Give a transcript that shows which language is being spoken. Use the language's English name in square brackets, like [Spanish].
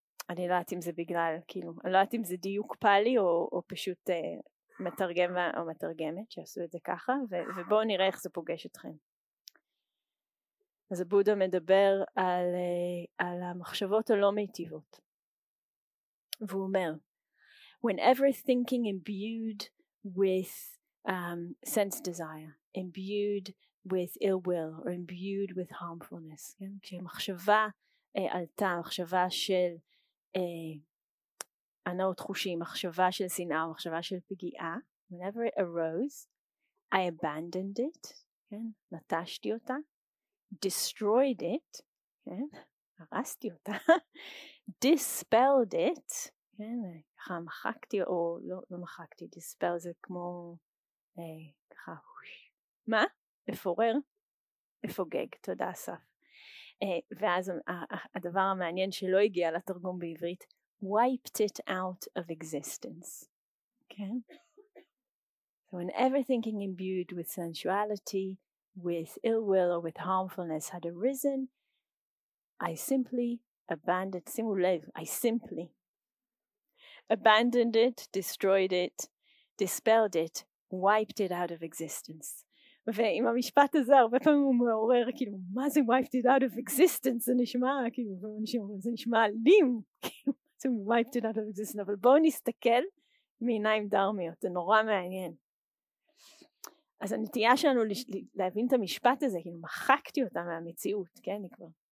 [Hebrew] אני לא יודעת אם זה בגלל, כאילו, אני לא יודעת אם זה דיוק פאלי או פשוט מתרגם או מתרגמת שעשו את זה ככה, ובואו נראה איך זה פוגש אתכם. אז הבודה מדבר על המחשבות הלא מיטיבות. והוא אומר, [English] whenever thinking imbued with sense desire, imbued with ill will, or imbued with harmfulness, כן? [Hebrew] כשמחשבה עלתה, מחשבה של הנאות חושים, מחשבה של שנאה, מחשבה של פגיעה, [English] whenever it arose, I abandoned it, [Hebrew] כן? נטשתי אותה, [English] destroyed it, [Hebrew] כן? הרסתי אותה, [English] dispelled it, [Hebrew] כן, ככה מחקתי, או לא, לא מחקתי, דיספל זה כמו, ככה, מה? אפורר? אפוגג, תודה אסף. ואז הדבר המעניין שלא הגיע לתרגום בעברית, [English] wiped it out of existence. Okay? So when everything imbued with sensuality, with ill will or with harmfulness had arisen, I simply abandoned, [Hebrew] שימו לב, [English] I simply abandoned it, destroyed it, dispelled it, wiped it out of existence. [Hebrew] ועם המשפט הזה הרבה פעמים הוא מעורר, כאילו, מה זה [English] wiped it out of existence? [Hebrew] זה נשמע, כאילו, זה נשמע אלים. זה [English] wiped it out of existence. [Hebrew] אבל בואו נסתכל מעיניים דרמיות, זה נורא מעניין. אז הנטייה שלנו להבין את המשפט הזה, כאילו, מחקתי אותה מהמציאות, כן, אני כבר.